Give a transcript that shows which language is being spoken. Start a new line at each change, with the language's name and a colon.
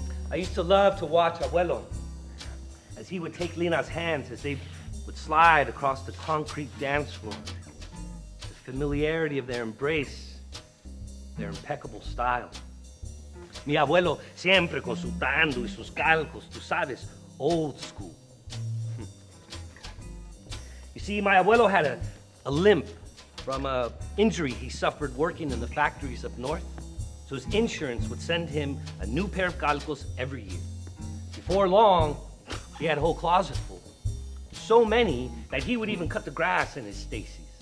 English: I used to love to watch Abuelo as he would take Lina's hands as they would slide across the concrete dance floor. The familiarity of their embrace, their impeccable style.
Spanish: Mi abuelo siempre con su tando y sus calcos, tú sabes,
English: old school. You see, my abuelo had a limp from an injury he suffered working in the factories up north. So his insurance would send him a new pair of calcos every year. Before long, he had a whole closet. So many that he would even cut the grass in his stasis.